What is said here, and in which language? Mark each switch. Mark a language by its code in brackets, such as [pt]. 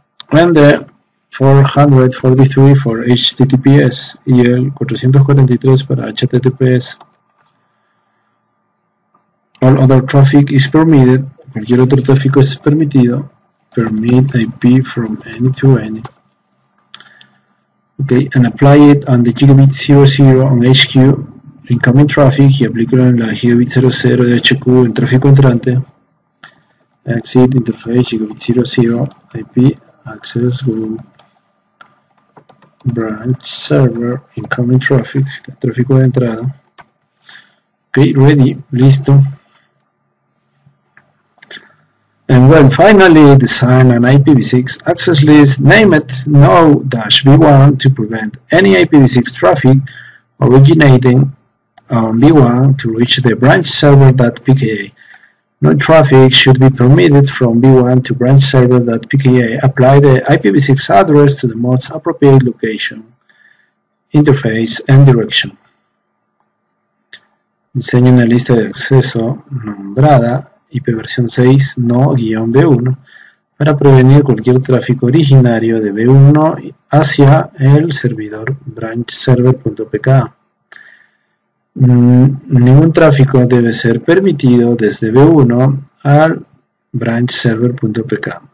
[en] And the 443 for HTTPS [es] y el 443 para HTTPS. [en] All other traffic is permitted, [es] cualquier otro tráfico es permitido. [en] Permit IP from any to any. Okay, and apply it on the gigabit 00 on HQ. Incoming traffic [es] y aplico en la gigabit 00 de HQ en tráfico entrante. [en] Exit interface gigabit 00 IP access group branch server incoming traffic [es] de tráfico de entrada. [en] Ok, ready, listo. And when finally design an IPv6 access list, name it no-v1 to prevent any IPv6 traffic originating on V1 to reach the branch server.pka. No traffic should be permitted from V1 to branch server.pka. Apply the IPv6 address to the most appropriate location, interface, and direction. [es] Diseño una lista de acceso nombrada IPv6 no-V1 para prevenir cualquier tráfico originario de V1 hacia el servidor branch server.pka. Ningún tráfico debe ser permitido desde V1 al branch server.pk.